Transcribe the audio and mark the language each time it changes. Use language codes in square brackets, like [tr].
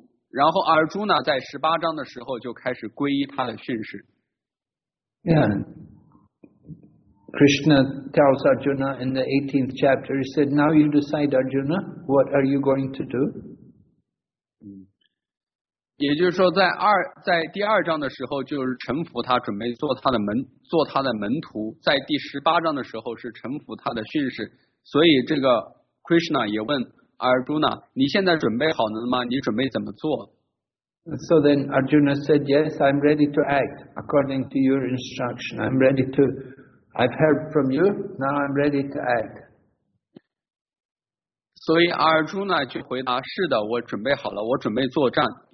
[zh] 然后阿尔朱纳在十八章的时候就开始皈依他的训示。 [en] Yeah. Krishna tells Arjuna in the 18th chapter, he said, now you decide, Arjuna, what are you going to do? [zh] 也就是说在第二章的时候就是臣服他，准备做他的门徒，在第十八章的时候是臣服他的训示。所以这个 Krishna 也问Arjuna, 你现在准备好了吗？你准备怎么做？ [en] So then Arjuna said, yes, I'm ready to act according to your instruction. I've heard from you, now I'm ready to act. [zh] 所以 Arjuna 就回答，是的，我准备好了，我准备作战。